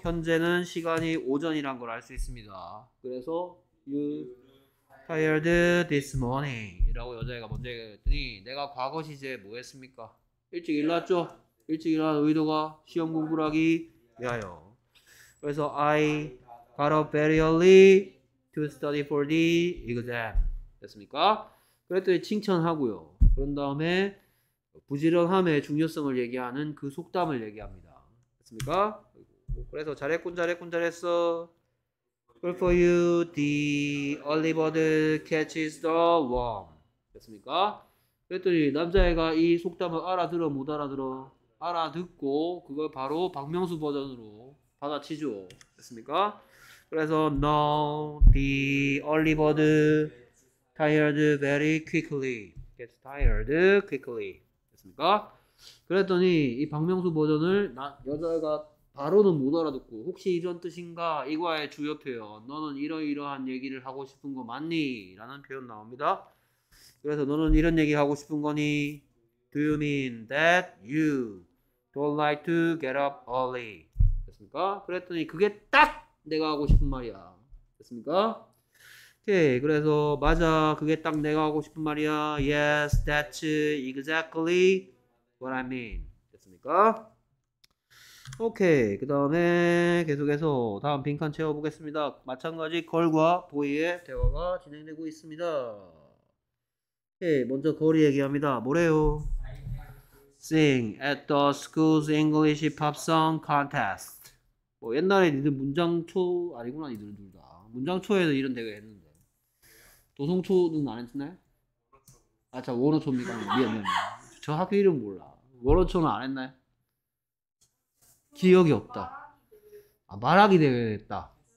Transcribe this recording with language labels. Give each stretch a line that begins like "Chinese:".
Korean: 현재는 시간이 오전이란 걸 알 수 있습니다. 그래서
English: you tired this morning
Korean: 이라고 여자애가 먼저 얘기했더니 내가 과거 시제에 뭐 했습니까? 일찍 일어났죠. 일찍 일어난 의도가 시험 공부를 하기 위하여. 그래서 I
English: got up very early to study for the exam.
Korean: 됐습니까? 그랬더니 칭찬하고요. 그런 다음에 부지런함의 중요성을 얘기하는 그 속담을 얘기합니다. 됐습니까? 그래서 잘했군, 잘했군, 잘했어.
English: Good for you, the early bird catches the worm.
Korean: 됐습니까? 그랬더니 남자애가 이 속담을 알아들어, 못 알아들어? 알아듣고 그걸 바로 박명수 버전으로 받아치죠. 됐습니까?
English: 그래서 No, the early bird tired very quickly. Gets tired quickly.
Korean: 됐습니까? 그랬더니 이 박명수 버전을 나, 여자애가 바로는 못 알아듣고 혹시 이런 뜻인가? 이과의 주요 표현 너는 이러이러한 얘기를 하고 싶은 거 맞니? 라는 표현 나옵니다. 그래서 너는 이런 얘기 하고 싶은 거니?
English: Do you mean that you don't like to get up early?
Korean: 됐습니까? 그랬더니 그게 딱 내가 하고 싶은 말이야. 됐습니까? 오케이, 그래서 맞아, 그게 딱 내가 하고 싶은 말이야.
English: Yes, that's exactly what I mean.
Korean: 됐습니까? 오케이, 그 다음에 계속해서 다음 빈칸 채워보겠습니다. 마찬가지 걸과 보이의 대화가 진행되고 있습니다. 오케이, 먼저 걸이 얘기합니다. 뭐래요?
English: Sing at the school's English pop song contest.
Korean: 뭐 옛날에 니들 문장초 아니구나, 니들 둘 다. 문장초에서 이런 대회 했는데. 도성초는 안 했나요? 아, 참, 워너초입니까? 미안, 미안. 저 학교 이름 몰라. 워너초는 안 했나요? 기억이 없다. 아, 말하기 대회 했다.